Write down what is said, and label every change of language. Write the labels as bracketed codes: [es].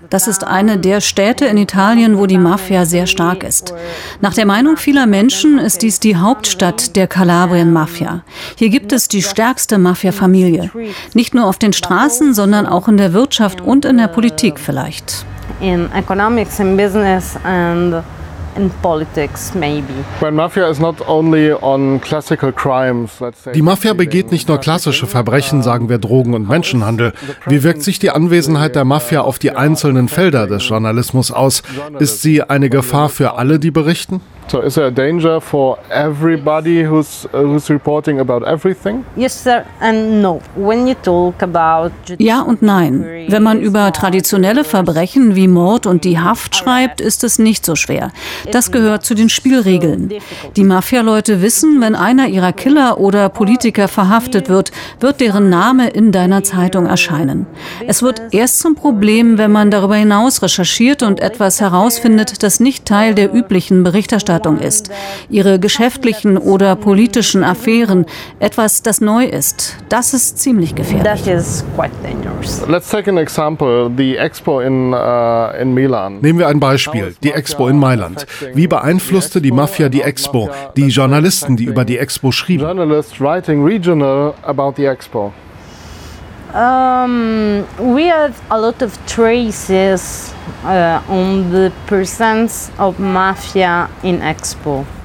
[de] Das ist eine der Städte in Italien, wo die Mafia sehr stark ist. Nach der Meinung vieler Menschen ist dies die Hauptstadt der Kalabrien-Mafia. Hier gibt es die stärkste Mafia-Familie. Nicht nur auf den Straßen, sondern auch in der Wirtschaft und in der Politik vielleicht. [en] In economics, in business and and politics maybe. When Mafia is not only on classical crimes, let's say. [de] Die Mafia begeht nicht nur klassische Verbrechen, sagen wir Drogen und Menschenhandel. Wie wirkt sich die Anwesenheit der Mafia auf die einzelnen Felder des Journalismus aus? Ist sie eine Gefahr für alle, die berichten? [en] So is there a danger for everybody who's reporting about everything? Yes, sir, and no. When you talk about [de] ja und nein. Wenn man über traditionelle Verbrechen wie Mord und die Haft schreibt, ist es nicht so schwer. Das gehört zu den Spielregeln. Die Mafia-Leute wissen, wenn einer ihrer Killer oder Politiker verhaftet wird, wird deren Name in deiner Zeitung erscheinen. Es wird erst zum Problem, wenn man darüber hinaus recherchiert und etwas herausfindet, das nicht Teil der üblichen Berichterstattung ist. Ihre geschäftlichen oder politischen Affären, etwas, das neu ist, das ist ziemlich gefährlich. [en] That is quite dangerous. Let's take an example, the Expo in Milan. [de] Nehmen wir ein Beispiel, die Expo in Mailand. Wie beeinflusste die Mafia die Expo, die Journalisten, die über die Expo schrieben? [en] Journalists writing regional about the Expo. We have a lot of traces on the presence of Mafia in Expo.